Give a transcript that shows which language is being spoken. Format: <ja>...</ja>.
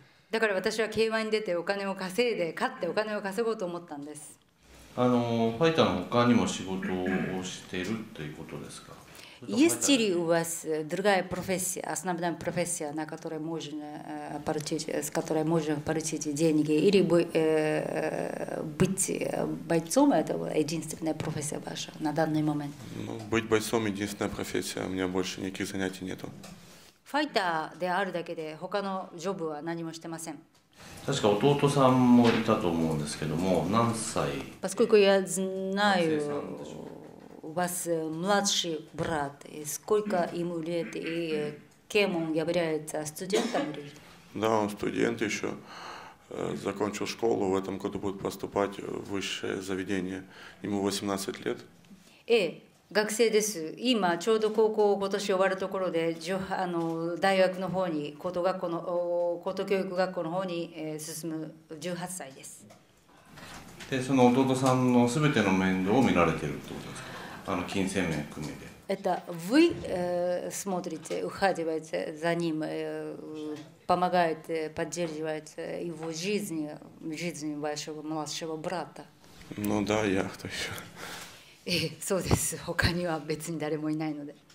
<ja>だから私は K-1 に出てお金を稼いで、勝ってお金を稼ごうと思ったんです。あのファイターの他にも仕事をしているということですか。</ja> <ru>Есть ли у вас другая профессия, основная профессия, на которой можно получить, с которой можно получить деньги, или быть бойцом – это единственная профессия ваша на данный момент? Ну, быть бойцом – единственная профессия. У меня больше никаких занятий нету.</ru> <ja>ファイターであるだけで他のジョブは何もしてません。確か弟さんもいたと思うんですけども、何歳？</ja> <ru>Поскольку я знаю, у вас младший брат, и сколько ему лет, и кем он является, студентом? Да, он студент еще, закончил школу, в этом году будет поступать в высшее заведение, ему 18 лет.</ru> <ja>Э, 学生です。今ちょうど高校今年終わるところで、大学の方に高等学校の方に進む18歳です。その弟さんのすべての面倒を見られてるってことですか？金銭面含めて。</ja> <ru>Это вы смотрите, ухаживаете за ним, помогаете, поддерживаете его жизнь, жизнь вашего младшего брата? Ну да, я кто еще.</ru> <ja>そうです。他には別に誰もいないので。</ja>